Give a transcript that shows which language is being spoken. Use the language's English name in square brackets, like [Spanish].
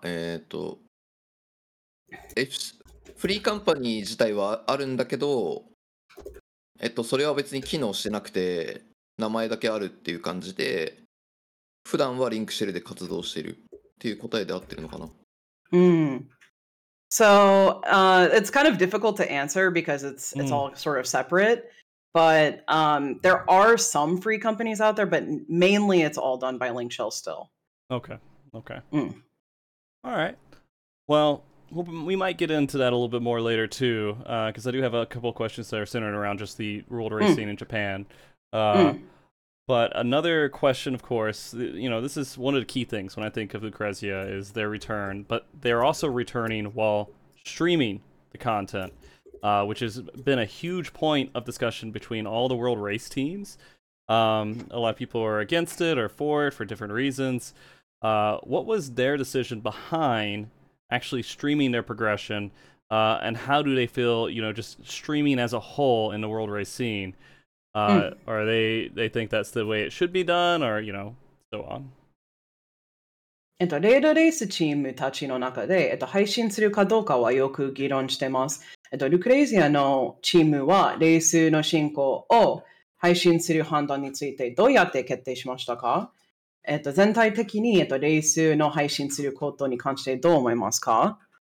[Japanese] フリーカンパニー自体はあるんだけど、それは別に機能してなくて、名前だけあるっていう感じで、普段はリンクシェルで活動してるっていう答えで合ってるのかな？ [English] So, it's kind of difficult to answer because it's all sort of separate. But there are some free companies out there, but mainly it's all done by Link Shell still. Okay. All right. Well, we might get into that a little bit more later too, because I do have a couple of questions that are centered around just the world racing in Japan. But another question, of course, you know, this is one of the key things when I think of Lucrezia is their return, but they're also returning while streaming the content, which has been a huge point of discussion between all the world race teams. A lot of people are against it or for it for different reasons. What was their decision behind actually streaming their progression, and how do they feel, you know, just streaming as a whole in the world race scene? Are they think that's the way it should be done, or, you know, so on? [Japanese] レイドレースチームたちの中で、配信するかどうかはよく議論してます。ルクレイジアのチームはレースの進行を配信する判断についてどうやって決定しましたか？全体的に、レースの配信することに関してどう思いますか？